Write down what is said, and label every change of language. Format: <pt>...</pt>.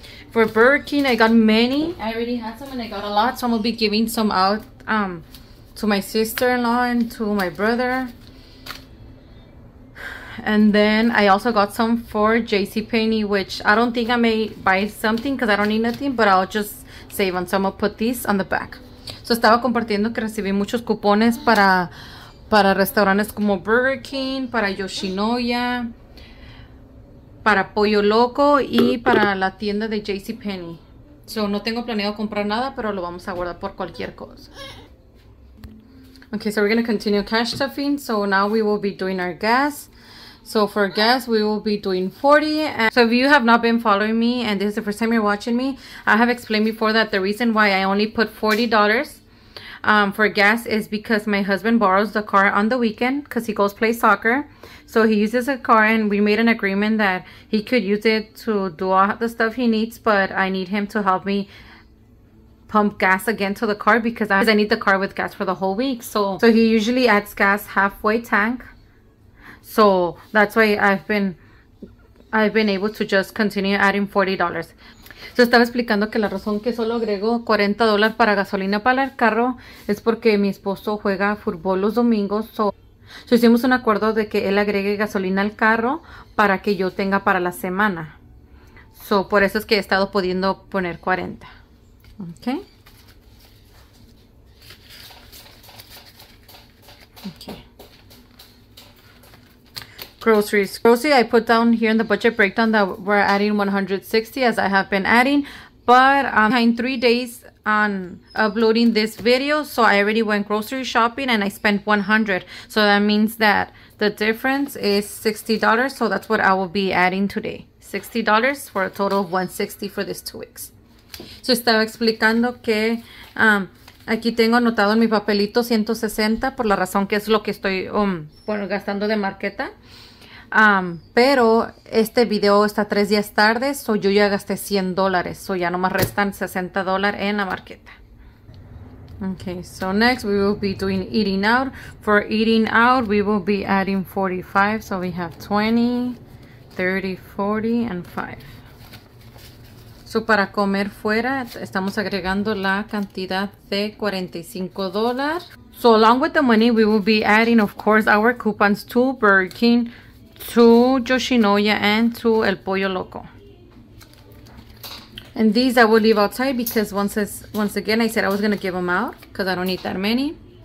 <en>For Burger King, I got many. I already had some and I got a lot, so I'm gonna be giving some out to my sister-in-law and to my brother. And then I also got some for JCPenney, which I don't think I may buy something because I don't need nothing, but I'll just save on some. I'll put these on the back.</en> <es>So estaba compartiendo que recibí muchos cupones para restaurantes como Burger King, para Yoshinoya, para Pollo Loco y para la tienda de JCPenney. So no tengo planeado comprar nada, pero lo vamos a guardar por cualquier cosa.</es> <en>Okay, so we're going to continue cash stuffing. So now we will be doing our gas. So for gas, we will be doing 40. And so if you have not been following me and this is the first time you're watching me, I have explained before that the reason why I only put $40 for gas is because my husband borrows the car on the weekend because he goes play soccer. So he uses a car and we made an agreement that he could use it to do all the stuff he needs, but I need him to help me pump gas again to the car because I need the car with gas for the whole week. So he usually adds gas halfway tank. So that's why I've been able to just continue adding $40.</en> <es>So estaba explicando que la razón que solo agrego $40 para gasolina para el carro es porque mi esposo juega fútbol los domingos. So hicimos un acuerdo de que él agregue gasolina al carro para que yo tenga para la semana. So por eso es que he estado pudiendo poner $40.</es> <en>Okay. Groceries. Grocery, I put down here in the budget breakdown that we're adding 160 as I have been adding, but I'm behind 3 days on uploading this video, so I already went grocery shopping and I spent 100. So that means that the difference is $60. So that's what I will be adding today. $60 for a total of 160 for these 2 weeks.</en> <es>So estaba explicando que aquí tengo anotado en mi papelito 160 por la razón que es lo que estoy gastando de marqueta. Pero este video está 3 días tarde, so yo ya gasté $100, so ya nomás restan $60 en la marqueta.</es> <en>Okay, so next we will be doing eating out. For eating out, we will be adding 45, so we have 20, 30, 40, and 5.</en> <es>So para comer fuera, estamos agregando la cantidad de $45.</es> <en>So along with the money, we will be adding, of course, our coupons to Burger King, to Yoshinoya, and to El Pollo Loco. And these I will leave outside because once again, I said I was going to give them out because I don't need that many.</en>